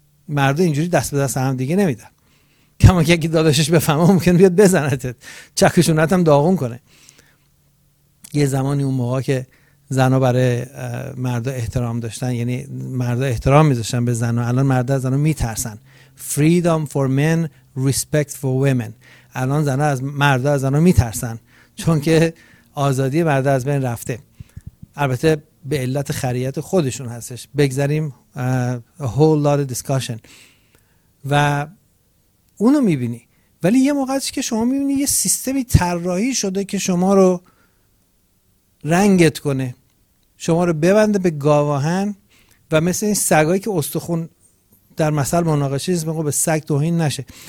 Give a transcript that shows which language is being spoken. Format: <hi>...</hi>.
<fa>مردا اینجوری دست به دست هم دیگه نمیدن، کما که اگه داداشش بفهمه ممکن بیاد بزنتت، چکشونت هم داغون کنه. یه زمانی اون موقع که زنا برای مردا احترام داشتن، یعنی مردا احترام میذاشتن به زنا، الان مردا از زنا میترسن.</fa> <en>Freedom for men, respect for women.</en> <fa>الان زنا از مردا از زنا میترسن، چون که آزادی مردا از بین رفته، البته به علت خریت خودشون هستش. بگذاریم،</fa> <en>a whole lot of discussion.</en> <fa>و اونو میبینی، ولی یه موقعی که شما میبینی یه سیستمی طراحی شده که شما رو رنگت کنه، شما رو ببنده به گاواهن، و مثل این سگایی که استخون در مثل مناقشه است، میگه به سگ توهین نشه.</fa>